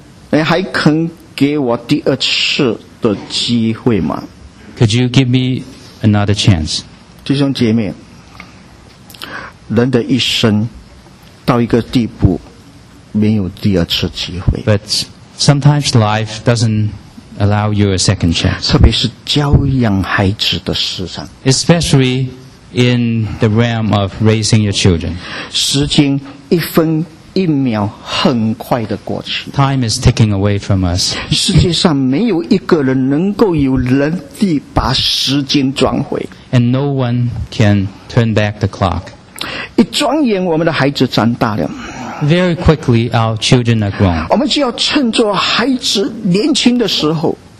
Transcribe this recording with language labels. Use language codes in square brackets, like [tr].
[zh] 你还肯给我第二次的机会吗？ [en] Could you give me another chance? [zh] 弟兄姐妹，人的一生到一个地步没有第二次机会。 [en] But sometimes life doesn'tAllow you a second chance. [zh] 特别是教养孩子的事上。 [en] Especially in the realm of raising your children. [zh] 时间一分一秒很快的过去。 [en] Time is ticking away from us. [zh] 世界上没有一个人能够有能力把时间转回。 [en] And no one can turn back the clock. [zh] 一转眼我们的孩子长大了。 [en] Very quickly, our children are grown. [zh] 我们就要趁着孩子年轻的时候。